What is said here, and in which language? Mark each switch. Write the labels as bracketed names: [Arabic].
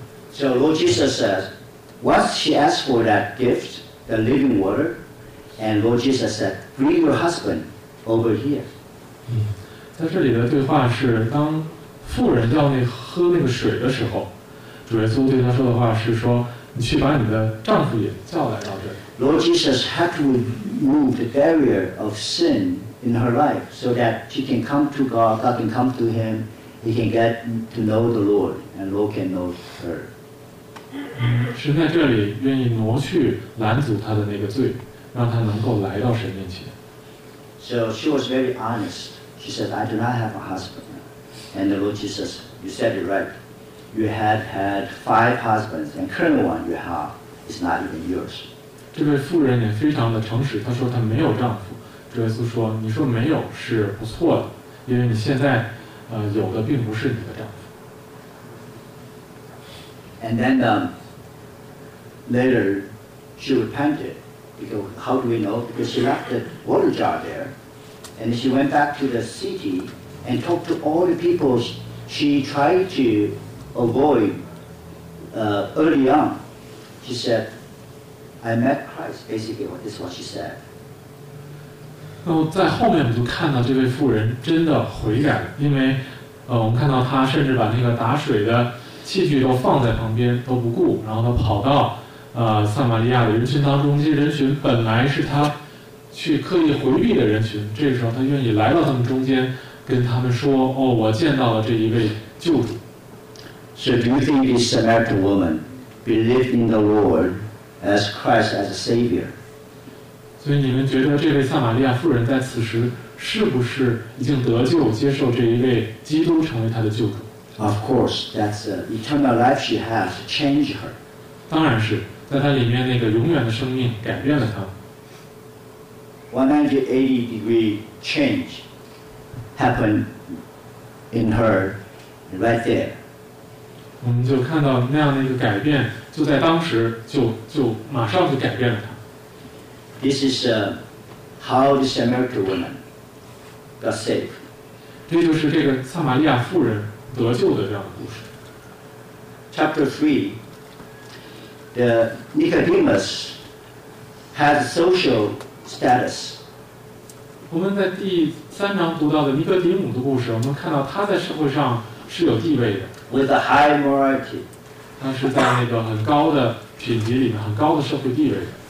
[English] So Lord Jesus says, once she asked for that gift, the living water, and Lord Jesus said, bring your husband over here. [Chinese] 在这里的对话是，当妇人要那喝那个水的时候，主耶稣对他说的话是说，你去把你的丈夫也叫来到这里。 [English] Lord Jesus had to remove the barrier of sin in her life so that she can come to God, God can come to him. He can get to know the Lord, and Lord can know her. [Chinese] 神在这里愿意挪去拦阻他的那个罪，让他能够来到神面前。 [English] So she was very honest. She said, "I do not have a husband." And the Lord Jesus, "You said it right. You have had five husbands, and current one you have is not even yours." [Chinese] 这位妇人也非常的诚实，她说她没有丈夫。主耶稣说：“你说没有是不错的，因为你现在。” 有的并不是你的丈夫。 [English] And then later she repented. Because how do we know? Because she left the water jar there. And she went back to the city and talked to all the people she tried to avoid early on. She said, I met Christ. Basically, this is what she said. [Chinese] 那么在后面我们就看到这位妇人真的悔改，因为我们看到她甚至把那个打水的器具都放在旁边都不顾，然后她跑到撒玛利亚的人群当中，这些人群本来是她去刻意回避的人群，这时候她愿意来到他们中间跟他们说，哦，我见到了这一位救主。 [English] So do you think this Samaritan woman believed in the Lord as Christ as a Savior. [Chinese] 所以你们觉得这位撒玛利亚妇人在此时是不是已经得救，接受这一位基督成为她的救主？ [English] Of course, that's the eternal life she has changed her. [Chinese] 当然是，在她里面那个永远的生命改变了她。 [English] 180-degree change happened in her right there. [Chinese] 我们就看到那样的一个改变，就在当时就马上就改变了她。 [English] This is how this American woman got saved. [Chinese] 这就是这个撒玛利亚妇人得救的这样的故事。 [English] Chapter 3, the Nicodemus has social status. [Chinese] 我们在第三章读到的尼格迪姆的故事，我们看到他在社会上是有地位的。 [English] With a high morality. [Chinese] 他是在那个很高的品级里面，很高的社会地位的。